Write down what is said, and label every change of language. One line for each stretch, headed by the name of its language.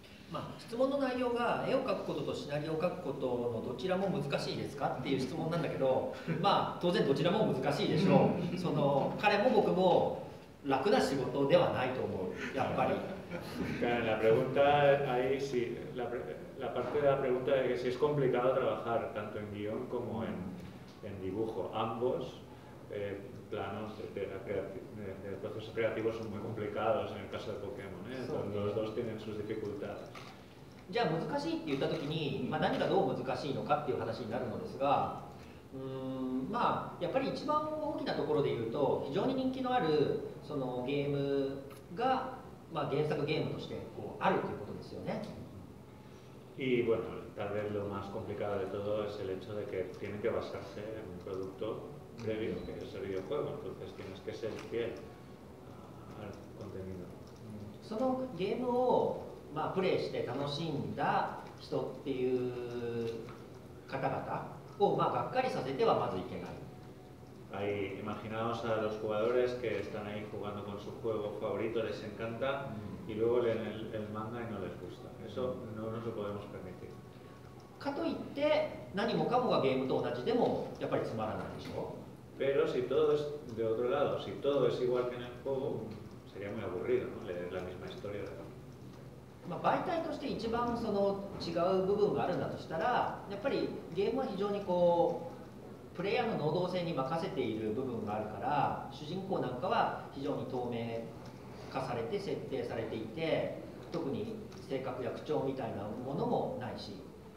Japanese: まあ、質問の内容が絵を描くこととシナリオを描くことのどちらも難しいですかっていう質問なんだけど、まあ当然どちらも難しいでしょう。その彼も僕も楽な仕事ではないと思う。やっぱり。
Spanish: La pregunta ahí sí, la parte de la pregunta es si es complicado trabajar tanto en guión como en dibujo. Ambos planos de procesos creativos son muy complicados en el caso de Pokémon, cuando los dos tienen sus dificultades.
Japanese: じゃあ難しいって言った時に、まあ、何がどう難しいのかっていう話になるのですが、まあやっぱり一番大きなところで言うと、非常に人気のあるそのゲームが、まあ、原作ゲームとしてこうあるということですよね。
Spanish: Y bueno, tal vez lo más complicado de todo es el hecho de que tiene que basarse en un productoprevio que es el videojuego, entonces tienes que ser fiel al contenido.
Japanese: そのゲームを、まあ、プレイして楽しんだ人っていう方々を、まあ、がっかりさせてはまずいけない。
Spanish: Ahí, imaginaos a los jugadores que están ahí jugando con su juego favorito, les encanta, y luego leen el manga y no les gusta. Eso no nos lo podemos permitir.
Japanese: かといって何もかもがゲームと同じでもやっぱりつまらないでしょう。
Spanish: Pero si todo es de otro lado, si todo es igual que en el juego, sería muy aburrido, ¿no? Leer la misma historia.
Japanese: まあ媒体として一番その違う部分があるんだとしたら、やっぱりゲームは非常にこうプレイヤーの能動性に任せている部分があるから、主人公なんかは非常に透明化されて設定されていて、特に性格や口調みたいなものもないし。